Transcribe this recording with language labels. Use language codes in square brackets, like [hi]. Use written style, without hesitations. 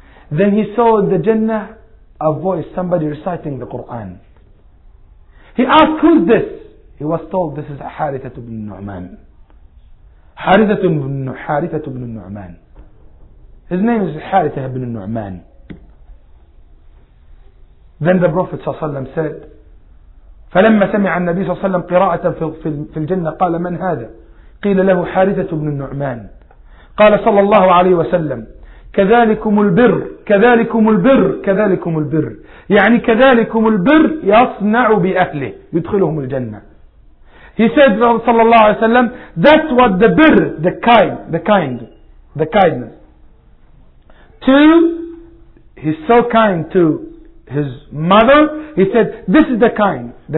[en] Then he saw in the Jannah a voice, somebody reciting the Quran. He asked, who's this? He was told, this is Harithah ibn Nu'man. Harithah ibn Nu'man. His name is Harithah ibn Nu'man. Then the Prophet [ar] صلى الله عليه وسلم said, فلما سمع النبي صلى الله عليه وسلم قراءة في الجنة قال من هذا؟ قيل له حارثة بن النعمان. قال صلى الله عليه وسلم كذلكم البر كذلكم البر كذلكم البر, يعني كذلكم البر يصنع بأهله, يدخلهم الجنة. [en] He said صلى الله عليه وسلم, that's what the bir, the kindness. To, he's so kind to his mother, he said, this is the kind.